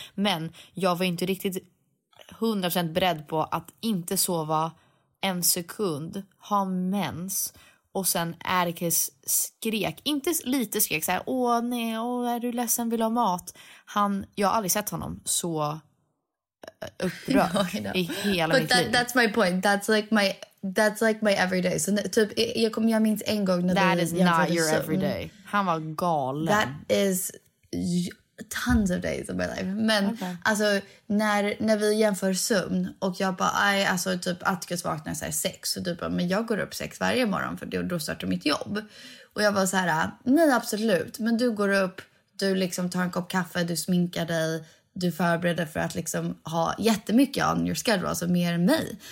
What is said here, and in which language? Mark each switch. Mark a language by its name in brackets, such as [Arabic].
[Swedish] Men jag var inte riktigt 100% beredd på att inte sova en sekund, ha mens och sen Erikes skrek, inte lite skrek så här, åh nej, åh, är du ledsen, vill ha mat? Jag har aldrig sett honom så upprörd i hela mitt liv. [English] That's my point, that's like my everyday. [Swedish] Så typ jag minns en gång när [English] that is not your everyday. [Swedish] Han var galen. [English] That is tons of days of my life. [Swedish] Men okay, alltså när vi jämför sömn och jag bara, alltså typ Atticus vaknar så här 6 och du bara, men jag går upp 6 varje morgon för då startar mitt jobb. Och jag bara så här, nej absolut, men du går upp, du liksom tar en kopp kaffe, du sminkar dig, du förbereder för att liksom ha jättemycket [English] on your schedule, [Swedish] alltså mer än mig.